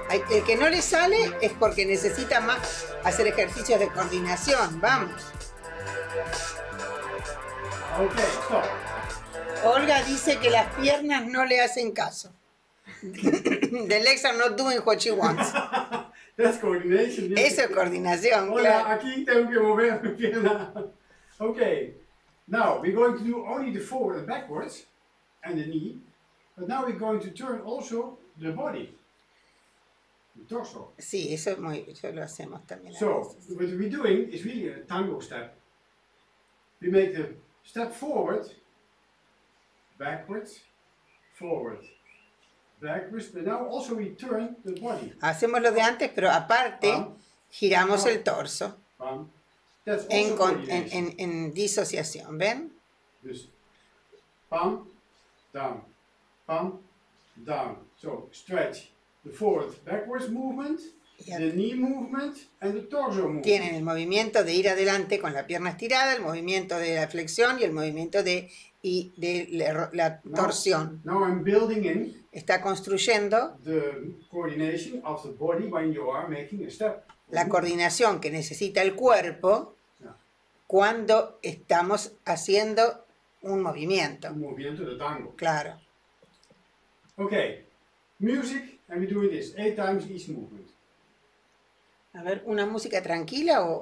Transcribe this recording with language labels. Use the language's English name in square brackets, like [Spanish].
[Spanish] El que no le sale es porque necesita más hacer ejercicios de coordinación. Vamos. [English] Ok, stop. [Spanish] Olga dice que las piernas no le hacen caso. [English] The legs are not doing what she wants. That's coordination. [Spanish] Eso es coordinación. Hola, claro. Aquí tengo que mover mi pierna. Ok. [English] Now, we're going to do only the forward and backwards. And the knee, but now we're going to turn also the body, the torso. [Spanish] Sí, eso es muy, eso lo hacemos también. [English] So, what we're doing is really a tango step. We make the step forward, backwards, forward, backwards, but now also we turn the body. [Spanish] Hacemos lo de antes, pero aparte, giramos el torso. [English] That's also [Spanish] en disociación, ¿ven? [English] This. Pam. Down, pam, down. So stretch the forward backwards movement, the knee movement, and the torso movement. [Spanish] Tienen el movimiento de ir adelante con la pierna estirada, el movimiento de la flexión y el movimiento de la torsión. [English] Now I'm building in. [Spanish] Está construyendo [English] the coordination of the body when you are making a step. [Spanish] la coordinación que necesita el cuerpo cuando estamos haciendo un movimiento. Un movimiento de tango. Claro. [English] Ok. Music, and we're doing this. 8 times each movement. [Spanish] A ver, ¿una música tranquila o